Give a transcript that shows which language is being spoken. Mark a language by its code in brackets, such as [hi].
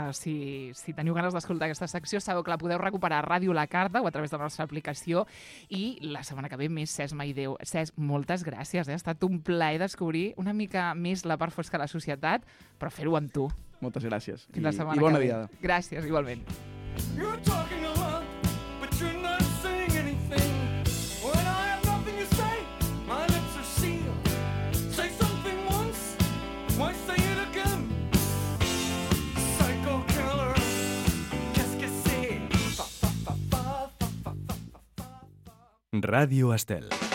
[ca] Si teniu ganes d'escoltar aquesta secció, sabeu que la podeu recuperar a Ràdio La Carta o a través de la nostra aplicació. I la setmana que ve més, Cesc Maideu. Cesc, moltes gràcies. Ha estat un plaer descobrir una mica més la part fosca de la societat, però fer-ho amb tu. Moltes gràcies. Fins la setmana que ve. I bona diada. Gràcies, igualment. [en] You're talking a lot, but you're not saying anything. When I have nothing to say, my lips are sealed. Say something once, why say it again? Psycho killer, [fr] qu'est-ce que c'est? [en] Radio Estel.